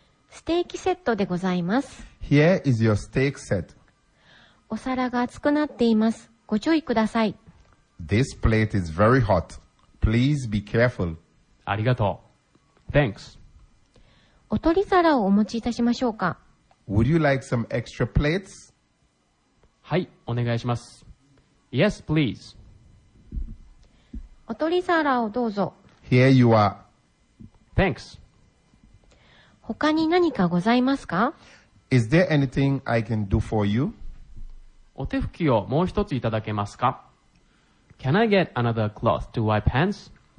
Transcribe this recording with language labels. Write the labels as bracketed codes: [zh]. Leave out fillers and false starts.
[ja] ステーキセットでございます。 [en] Here is your steak set. [ja] お皿が熱くなっています。ご注意ください。 [en] This plate is very hot. Please be careful. [ja] ありがとう。 [en] Thanks. [ja] お取り皿をお持ちいたしましょうか。 [en] Would you like some extra plates? [ja] はい、お願いします。 [en] Yes, please. [ja] お取り皿をどうぞ。 [en] Here you are. Thanks. [ja] 他に何かございますか? [en] Is there anything I can do for you? [ja] お手拭きをもう一ついただけますか? [en] Can I get another cloth to wipe hands?